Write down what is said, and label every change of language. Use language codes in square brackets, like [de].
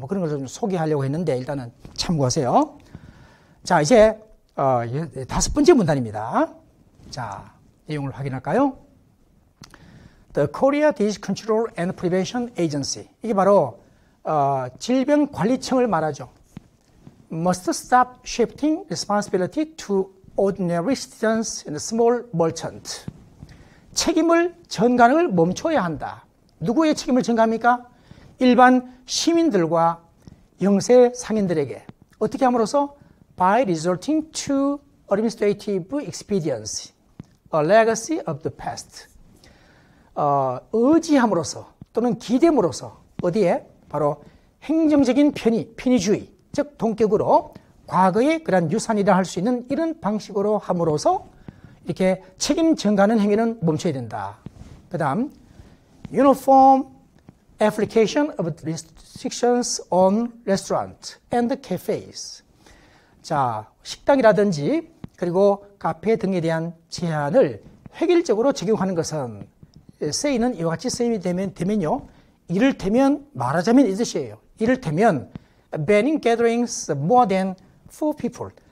[ko] 뭐 그런 걸 좀 소개하려고 했는데 일단은 참고하세요. 자, 이제 다섯 번째 문단입니다. 자, 내용을 확인할까요? [en] The Korea Disease Control and Prevention Agency. [ko] 이게 바로 질병관리청을 말하죠. [en] Must stop shifting responsibility to ordinary citizens and small merchants. [ko] 책임을 전가를 멈춰야 한다. 누구의 책임을 전가합니까? 일반 시민들과 영세 상인들에게. 어떻게 함으로써? [en] By resorting to administrative expedients, a legacy of the past. [ko] 의지함으로써 또는 기댐으로써 어디에? 바로 행정적인 편의, 편의주의, 즉 동격으로 과거의 그런 유산이라 할 수 있는 이런 방식으로 함으로써 이렇게 책임 전가하는 행위는 멈춰야 된다. 그 다음, [en] uniform application of restrictions on restaurants and cafes. [ko] 자, 식당이라든지 그리고 카페 등에 대한 제한을 획일적으로 적용하는 것은 세이는 이와 같이 쓰임이 되면 이를테면 말하자면 이 뜻이에요. 이를테면 [en] Benin gatherings more than four people.